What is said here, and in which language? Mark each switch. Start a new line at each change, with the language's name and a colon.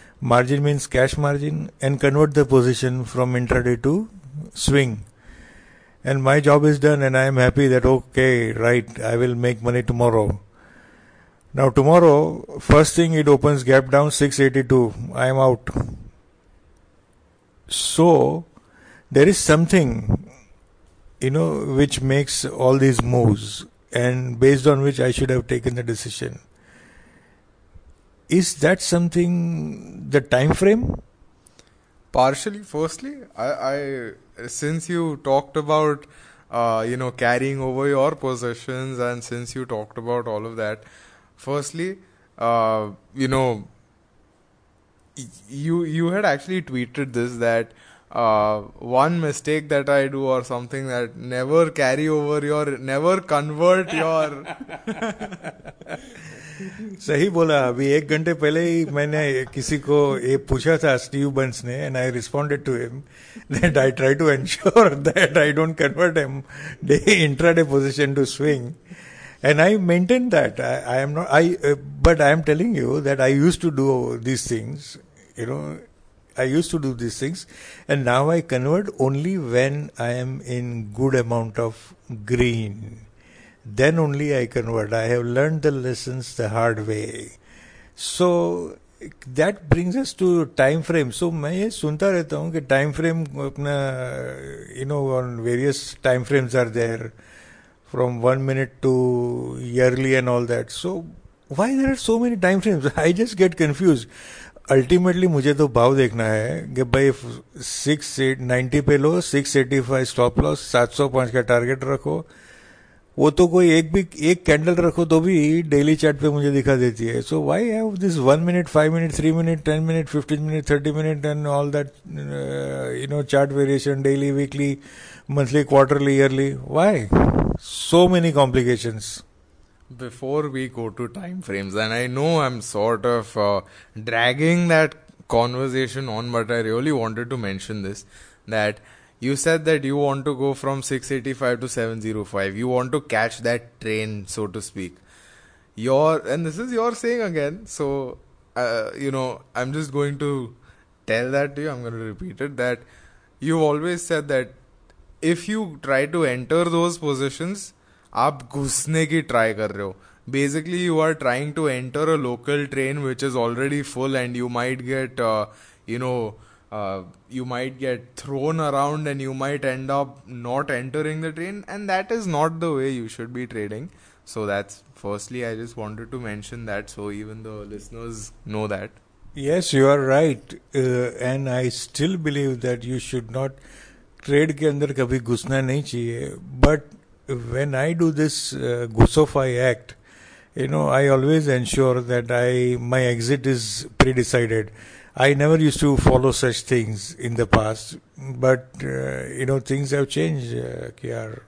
English: Margin means cash margin and convert the position from intraday to swing and my job is done and I am happy that okay right I will make money tomorrow. Now tomorrow first thing it opens gap down 682, I am out. So there is something you know which makes all these moves and based on which I should have taken the decision. Is that something the time frame? Partially. Firstly, I since you talked about you know carrying over your possessions and since you talked about all of that, firstly you know you had actually tweeted this that one mistake that I do or something that never carry over your, never convert your.
Hindi: सही बोला. अभी एक घंटे पहले ही मैंने किसी को ये पूछा था स्टीव बंस ने
English: And I responded to him that I try to ensure that I don't convert him day intraday position to swing and I maintain that I am not I but I am telling you that I use to do these things you know I used to do these things and now I convert only when I am in good amount of green. Then only I convert. I have learned the lessons the hard way. So that brings us to time frame. So
Hindi: main ye sunta rehta hu ki time frame apna,
English: you know, on various time frames are there from 1 minute to yearly and all that. So why there are so many time frames? I just get confused.
Hindi: Ultimately मुझे तो भाव देखना है कि भाई 690 पे लो, 685 stop loss, 705 का target रखो. वो तो कोई एक कैंडल रखो तो भी डेली चार्ट पे मुझे दिखा देती है.
English: So why have this 1 minute, 5 minute, 3 minute, 10 minute, 15 minute, 30 minute and all that you know chart variation daily, weekly, monthly, quarterly, yearly? Why so many complications? Before we go to time frames, and I know I'm sort of dragging that conversation on, but I really wanted to mention this, that you said that you want to go from 685 to 705. You want to catch that train, so to speak. And this is your saying again. So, you know, I'm just going to tell that to you. I'm going to repeat it, that you've always said that if you try to enter those positions,
Hindi: आप घुसने की try कर रहे हो.
English: Basically you are trying to enter a local train which is already full and you might get you know you might get thrown around and you might end up not entering the train and that is not the way you should be trading. So that's firstly I just wanted to mention that so even the listeners know that. Yes you are right and I still believe that you should not trade
Hindi: के अंदर कभी घुसना नहीं चाहिए.
English: But when I do this Gusofi act, you know, I always ensure that my exit is pre-decided. I never used to follow such things in the past, but you know, things have changed, Kiar.